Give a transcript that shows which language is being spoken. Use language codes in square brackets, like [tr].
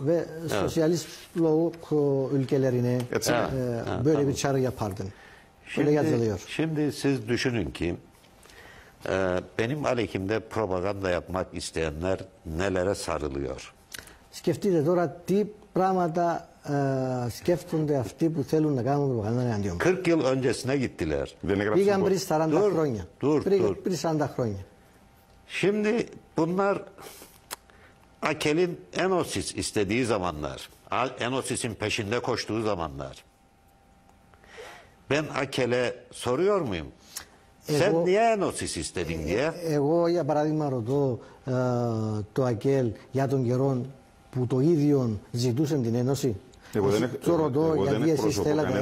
[tr] Ve σοσιαλιστ μπλοκ ülkelerine böyle bir çağrı yapardın. Şimdi siz düşünün ki benim aleyhimde propaganda yapmak isteyenler nelere sarılıyor? [el] Σκεφτείτε τώρα τι πράγματα σκέφτονται αυτοί που θέλουν να κάνουν προπαγάνδα εναντίον μου. [tr] 40 yıl öncesine gittiler. [el] Πήγαν πριν 40 χρόνια. Πριν 40 χρόνια. [tr] Şimdi bunlar AKEL'in Enosis istediği zamanlar, Enosis'in peşinde koştuğu zamanlar. Ben AKEL'e soruyor muyum? Sen niye Enosis istedin diye? [el] Εγώ για παράδειγμα ρωτώ το AKEL για τον καιρό που το ίδιο ζητούσε την Ένωση. Εγώ δεν σου ρωτώ γιατί εσείς θέλατε